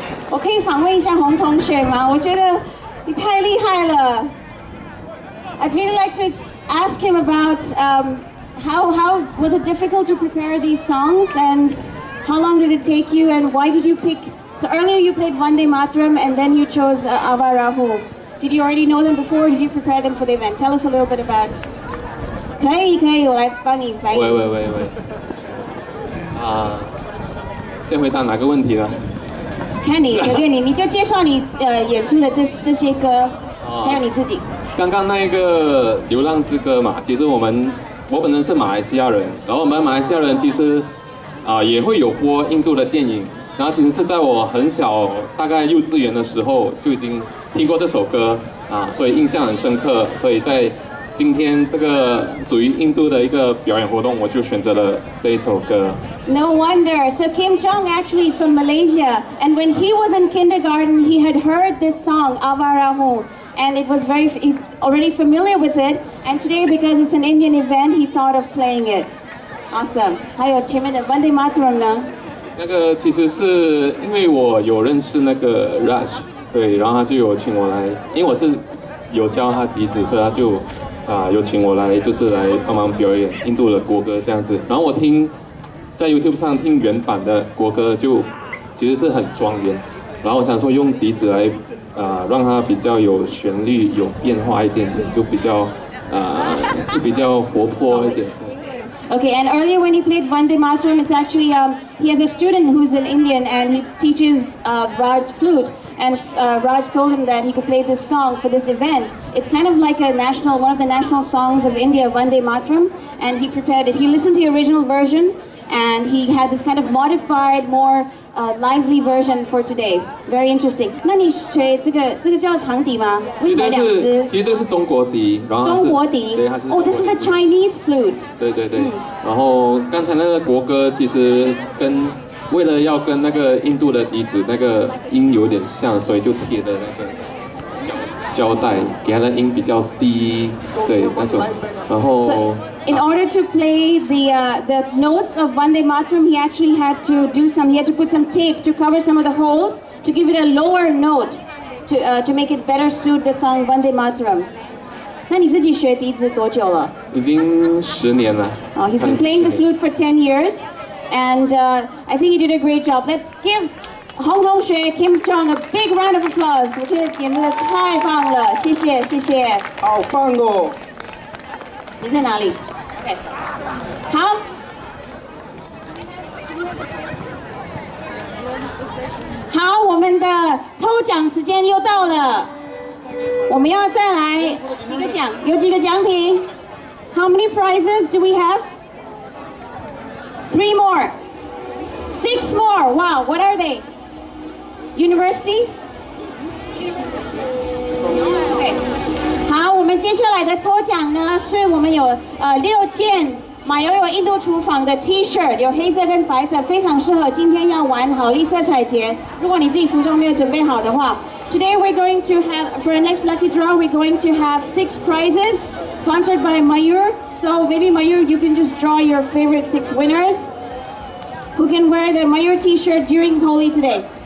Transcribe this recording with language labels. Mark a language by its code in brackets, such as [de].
[zh] 我可以访问一下洪同学吗？我觉得你太厉害了。 [en] I'd really like to ask him about how was it difficult to prepare these songs and how long did it take you and why did you pick... So earlier you played Vande Mataram and then you chose Ava Rahu. Did you already know them before or did you prepare them for the event? Tell us a little bit about... Hey, hey, like funny, right? Wait, wait, wait, wait. [zh] 先回答哪个问题呢？看你，随便你，你就介绍你演出的这些歌，还有你自己。刚刚那一个流浪之歌嘛，其实我本身是马来西亚人，然后我们马来西亚人其实也会有播印度的电影，然后其实是在我很小大概幼稚园的时候就已经听过这首歌啊，所以印象很深刻，所以在今天这个属于印度的一个表演活动，我就选择了这一首歌。 [en] No wonder. So Kim Jong actually is from Malaysia, and when he was in kindergarten, he had heard this song, Ava Rahu. And it was very, he's already familiar with it. And today, because it's an Indian event, he thought of playing it. [zh] Awesome. 还有前面的 Vande Mataram 呢？那个其实是因为我有认识那个 Raj， 对，然后他就有请我来，因为我是有教他笛子，所以他就有请我来，就是来帮忙表演印度的国歌这样子。然后我听在 YouTube 上听原版的国歌，就其实是很庄严。然后我想说用笛子来。让它比较有旋律有变化一点点，就比较就比较活泼一点。 [en] Okay, and earlier when he played Vande Mataram, it's actually he has a student who's an Indian and he teaches Raj flute, and Raj told him that he could play this song for this event. It's kind of like one of the national songs of India, Vande Mataram, and he prepared it. He listened to the original version and he had this kind of modified moreLively version for today. Very interesting. [zh] 那你吹这个叫长笛吗？为什么两只？其实这是中国笛，然后中国笛，对，它是中国笛。 [en] Oh, this is a Chinese flute. [zh] 对对对。嗯、然后刚才那个国歌其实跟为了要跟那个印度的笛子那个音有点像，所以就贴的那个胶带，给它的音比较低，对那种。然后 [en] so, in order to play the notes of Vande Mataram, he actually had to do some. He had to put some tape to cover some of the holes to give it a lower note, to make it better suit the song Vande Mataram. [zh] 那你自己学笛子多久了？已经十年了。 [en] Oh, he's been playing the flute for 10 years, and I think he did a great job. Let's give. 洪同学 Kim Jong a big round of applause. [zh] 我觉得演得太棒了，谢谢谢谢。好棒哦！你在哪里？Okay. 好。好，我们的抽奖时间又到了，我们要再来几个奖，有几个奖品 [en] ？How many prizes do we have? Three more. Six more. Wow, what are they? University? Okay. [zh] 好，我们接下来的抽奖呢，是我们有六件马友友印度厨房的 T-shirt， 有黑色跟白色，非常适合今天要玩好丽色彩节。如果你自己服装没有准备好的话 [en] ，Today we're going to have for the next lucky draw, we're going to have six prizes sponsored by Mayur. So maybe Mayur, you can just draw your favorite six winners who can wear the Mayur T-shirt during Holi today.